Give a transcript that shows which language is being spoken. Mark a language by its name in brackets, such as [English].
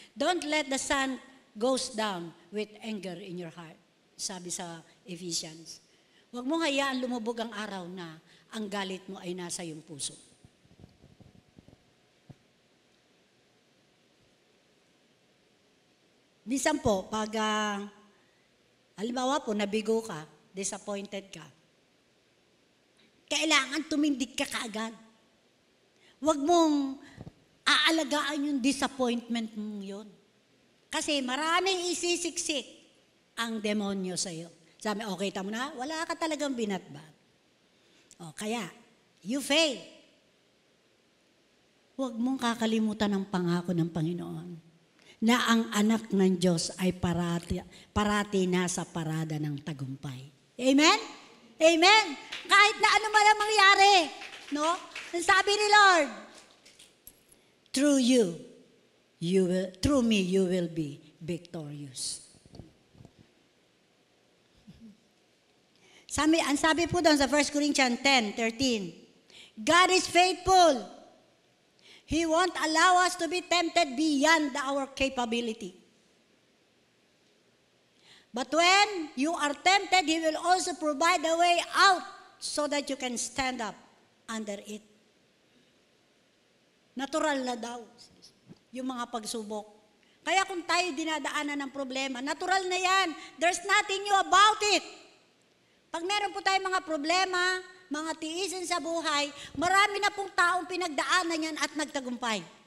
[English] Don't let the sun goes down with anger in your heart. [Filipino] Sabi sa Ephesians. Huwag mong hayaan lumubog ang araw na ang galit mo ay nasa iyong puso. Minsan po, pag halimbawa po, nabigo ka, disappointed ka, kailangan tumindig ka kaagad. Huwag mong aalagaan yung disappointment mo yun. Kasi maraming isisiksik ang demonyo sa'yo. Sabi, okay, tamo na, wala ka talagang binatbag. O, kaya, [English] you fail. [Filipino] Huwag mong kakalimutan ang pangako ng Panginoon na ang anak ng Diyos ay parati na sa parada ng tagumpay. Amen? Amen? Kahit na ano man ang mangyari, no? Ang sabi ni [English] Lord, through me, you will be victorious. [Filipino] Ang sabi po doon sa 1 Corinthians 10:13, [English] God is faithful. He won't allow us to be tempted beyond our capability. But when you are tempted, He will also provide a way out so that you can stand up under it. [Filipino] Natural na daw yung mga pagsubok. Kaya kung tayo dinadaanan ng problema, natural na yan. [English] There's nothing new about it. [Filipino] Pag meron po tayong mga problema, mga tiisin sa buhay, marami na pong taong pinagdaanan yan at nagtagumpay.